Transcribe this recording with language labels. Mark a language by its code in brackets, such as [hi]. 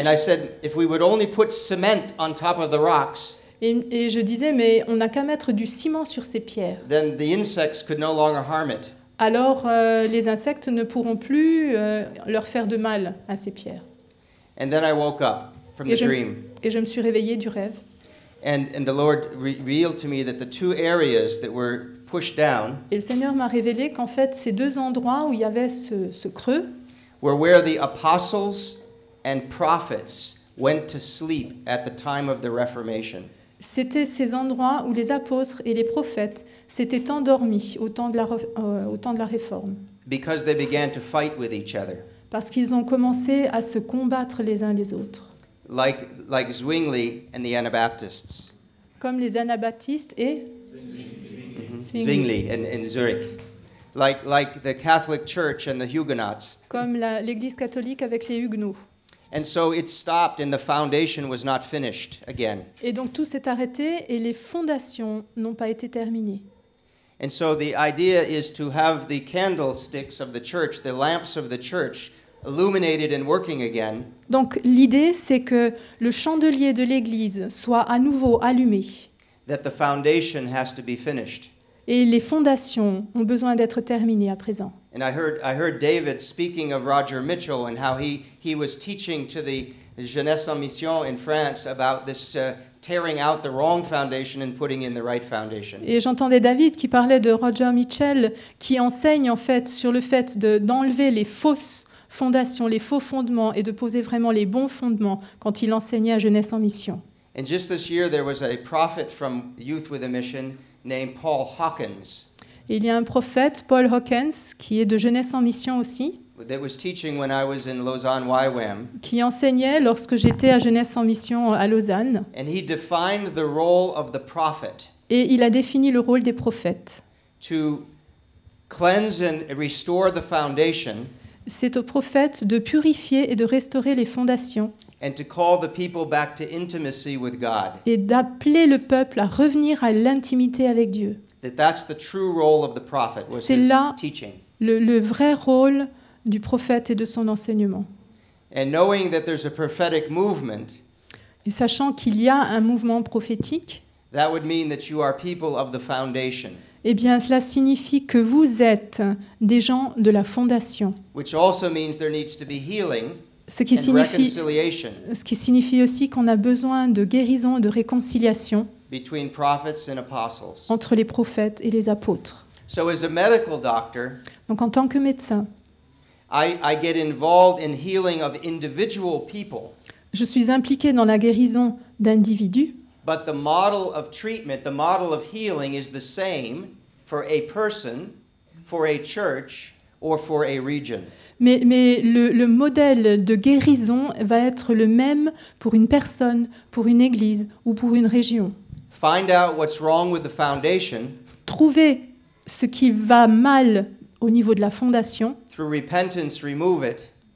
[en] And I said, if we would only put cement on top of the rocks. [fr] Et je disais, mais on n'a qu'à mettre du ciment sur ces pierres. [en] Then the insects could no longer harm it. [fr] Alors les insectes ne pourront plus leur faire de mal à ces pierres. [en] And then I woke up from the dream. [fr] Et je me suis réveillée du rêve. [en] And the Lord revealed to me that the two areas that were pushed down. [fr] Et le Seigneur m'a révélé qu'en fait ces deux endroits où il y avait ce creux. [en] Were where the apostles and prophets went to sleep at the time of the Reformation. [fr] C'était ces endroits où les apôtres et les prophètes s'étaient endormis au temps de la Réforme. [en] Because they began to fight with each other. [fr] Parce qu'ils ont commencé à se combattre les uns les autres. [en] Like Zwingli and the Anabaptists. [fr] Comme les Anabaptistes et [en] Zwingli and Zurich. Like the Catholic Church and the Huguenots. [fr] Comme l'Église catholique avec les Huguenots. [en] And so it stopped and the foundation was not finished again. [fr] Et donc tout s'est arrêté et les fondations n'ont pas été terminées. [en] And so the idea is to have the candlesticks of the church, the lamps of the church, illuminated and working again. [fr] Donc l'idée c'est que le chandelier de l'église soit à nouveau allumé. [en] That the foundation has to be finished. [fr] Et les fondations ont besoin d'être terminées à présent. [en] And I heard David speaking of Roger Mitchell and how he was teaching to the Jeunesse en Mission in France about this tearing out the wrong foundation and putting in the right foundation. [fr] Et j'entendais David qui parlait de Roger Mitchell qui enseigne en fait sur le fait d'enlever les fausses fondation, les faux fondements et de poser vraiment les bons fondements quand il enseignait à Jeunesse en Mission. [en] And just this year, there was a prophet from Youth with a Mission named Paul Hawkins. [fr] Et il y a un prophète, Paul Hawkins, qui est de Jeunesse en Mission aussi. [en] That was teaching when I was in Lausanne, YWAM. [fr] Qui enseignait lorsque j'étais à Jeunesse en Mission à Lausanne. [en] And he defined the role of the prophet. [fr] Et il a défini le rôle des prophètes. [en] To cleanse and restore the foundation. [fr] C'est aux prophètes de purifier et de restaurer les fondations. [en] And to call the people back to intimacy with God. [fr] Et d'appeler le peuple à revenir à l'intimité avec Dieu. [en] That's the true role of the prophet, was [fr] c'est [en] his [fr] là [en] teaching. [fr] Le vrai rôle du prophète et de son enseignement. [en] And knowing that there's a prophetic movement, [fr] et sachant qu'il y a un mouvement prophétique, [en] that would mean that you are people of the foundation. [fr] Eh bien, cela signifie que vous êtes des gens de la fondation. [en] Which also means there needs to be healing, [fr] ce qui [en] and [fr] signifie, [en] reconciliation. [fr] Ce qui signifie aussi qu'on a besoin de guérison, de réconciliation [en] between prophets and apostles. [fr] Entre les prophètes et les apôtres. [en] So as a medical doctor, [fr] donc en tant que médecin, [en] I get involved in healing of individual people. [fr] Je suis impliqué dans la guérison d'individus. [en] But the model of treatment, the model of healing is the same for a person, for a church, or for a region. [fr] Mais le modèle de guérison va être le même pour une personne, pour une église, ou pour une région. [en] Find out what's wrong with the foundation. [fr] Trouver ce qui va mal au niveau de la fondation. [en] Through repentance, remove it.